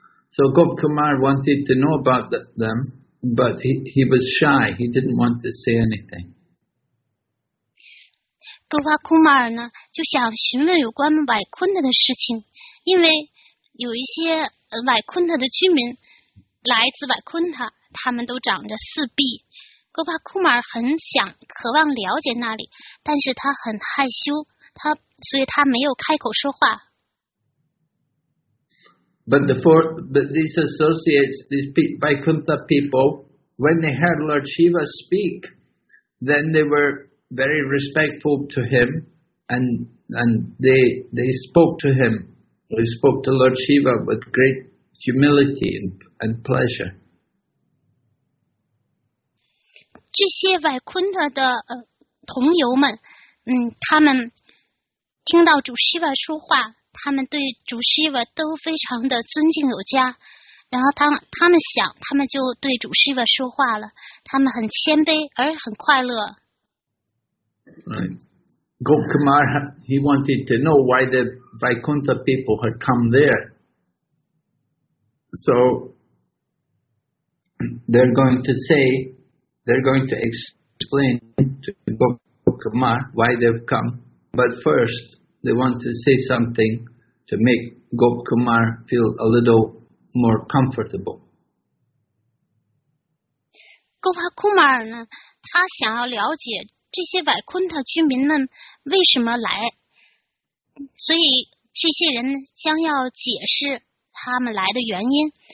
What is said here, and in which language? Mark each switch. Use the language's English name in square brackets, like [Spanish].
[English] So Gop Kumar wanted to know about them, but he was shy, he didn't want to say anything. [Chinese] Gopa Kumar 呢就想询问有关百昆特的事情，因为有一些百昆特的居民来自百昆特，他们都长着四臂。 Gopa Kumar 很想渴望了解那里，但是他很害羞，所以他没有开口说话。 [English] But these associates, these Vaikuntha people, when they heard Lord Shiva speak, then they were very respectful to him, and they spoke to him. They spoke to Lord Shiva with great humility and pleasure. [Chinese] 这些百昆特的同游们，他们听到主希瓦说话，他们对主希瓦都非常的尊敬有加。然后他们想，他们就对主希瓦说话了。他们很谦卑而很快乐。 [English] Right. Gop Kumar, he wanted to know why the Vaikuntha people had come there. So they're going to explain to Gop Kumar why they've come. But first, they want to say something to make Gop Kumar feel a little more comfortable. [Chinese] Gop Kumar, 呢他想要了解这些百昆特居民们为什么来，所以这些人将要解释他们来的原因。